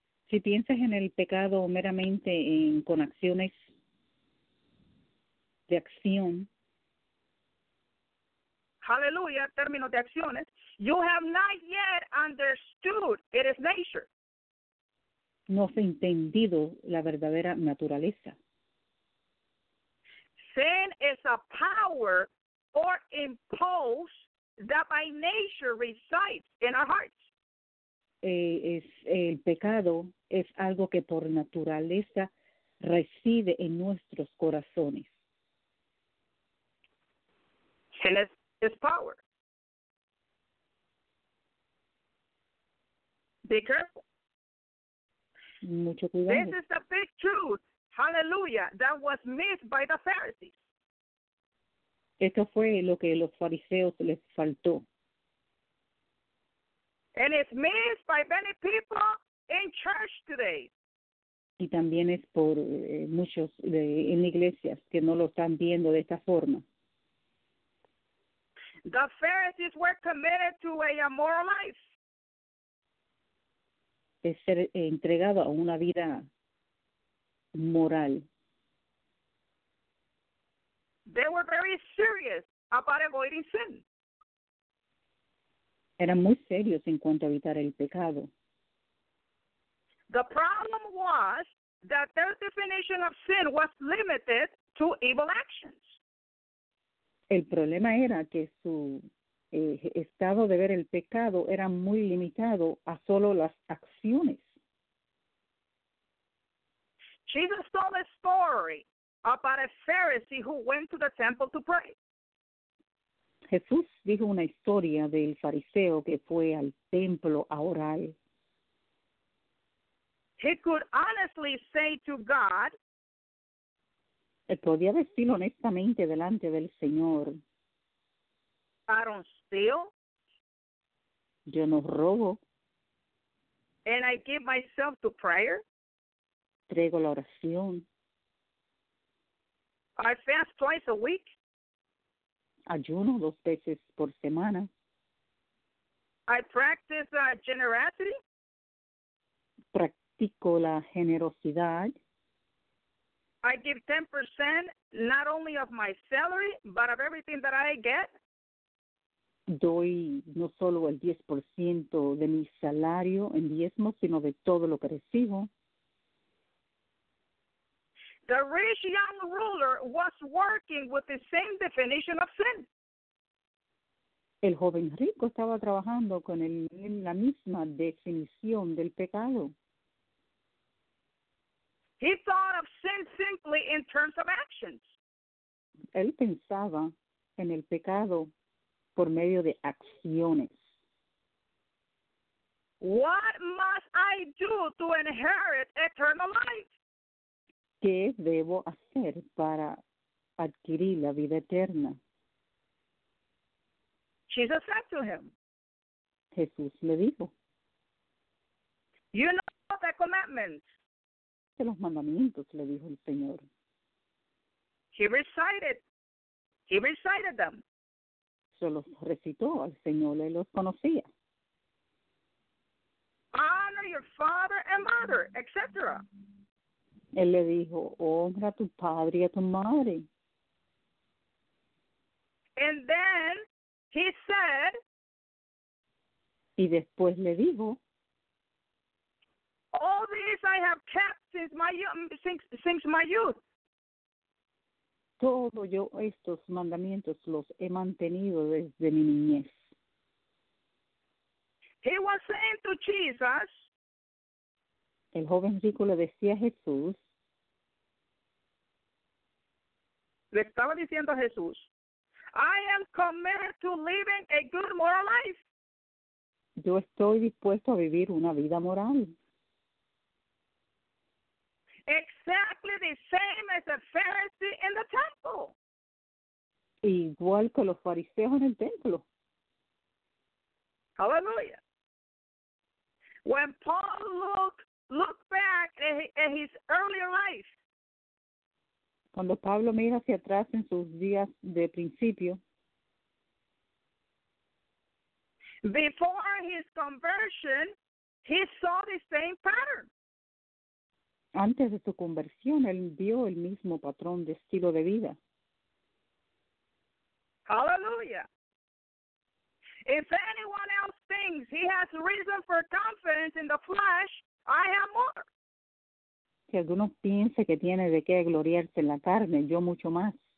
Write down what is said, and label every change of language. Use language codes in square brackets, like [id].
[es] si piensas en el pecado meramente en con acciones de acción, [en] hallelujah, [es] término de acciones, [en] you have not yet understood its nature. [es] No has entendido la verdadera naturaleza. [en] Sin is a power or impulse that by nature resides in our hearts. [es] El pecado es algo que por naturaleza reside en nuestros corazones. [en] Sin is power. Be careful. [es] Mucho cuidado. [en] This is the big truth, hallelujah, that was missed by the Pharisees. [es] Esto fue lo que los fariseos les faltó. [en] And it's missed by many people in church today. [es] Y también es por muchos en iglesias que no lo están viendo de esta forma. [en] The Pharisees were committed to a immoral life. [es] Es ser entregado a una vida moral. [en] They were very serious about avoiding sin. [es] Eran muy serios en cuanto a evitar el pecado. [en] The problem was that their definition of sin was limited to evil actions. [es] El problema era que su estado de ver el pecado era muy limitado a solo las acciones. [en] Jesus told a story about a Pharisee who went to the temple to pray. [es] Jesús dijo una historia del fariseo que fue al templo a orar. [en] He could honestly say to God, [es] él podía decir honestamente delante del Señor, [en] I don't steal. [es] Yo no robo. [en] And I give myself to prayer. [es] Traigo la oración. [en] I fast twice a week. [es] Ayuno dos veces por semana. [en] I practice generosity. [es] Practico la generosidad. [en] I give 10% not only of my salary, but of everything that I get. [es] Doy no solo el 10% de mi salario en diezmo, sino de todo lo que recibo. [en] The rich young ruler was working with the same definition of sin. [es] El joven rico estaba trabajando con la misma definición del pecado. [en] He thought of sin simply in terms of actions. [es] Él pensaba en el pecado por medio de acciones. [en] What must I do to inherit eternal life? [es] ¿Qué debo hacer para adquirir la vida eterna? [en] Jesus said to him, [es] Jesús le dijo, [en] you know the commandments. [es] De los mandamientos, le dijo el Señor. [en] He recited them. [es] Se los recitó al Señor, él los conocía. [en] Honor your father and mother, etc. [es] Él le dijo, honra a tu padre y a tu madre. [en] And then he said, [es] y después le dijo, [en] all this I have kept since my youth. [es] Todo yo estos mandamientos los he mantenido desde mi niñez. [en] He was saying to Jesus, [es] el joven rico le decía a Jesús, le estaba diciendo a Jesús, [en] I am committed to living a good moral life. [es] Yo estoy dispuesto a vivir una vida moral. [en] Exactly the same as a Pharisee in the temple. [es] Igual que los fariseos en el templo. [en] Hallelujah. When Paul looked back at his earlier life, [es] cuando Pablo mira hacia atrás en sus días de principio, [en] before his conversion, he saw the same pattern. [es] Antes de su conversión, él vio el mismo patrón de estilo de vida. [en] Hallelujah. If anyone else thinks he has reason for confidence in the flesh, I have more. [es] Si alguno piense que tiene de qué gloriarse en la carne, yo mucho más.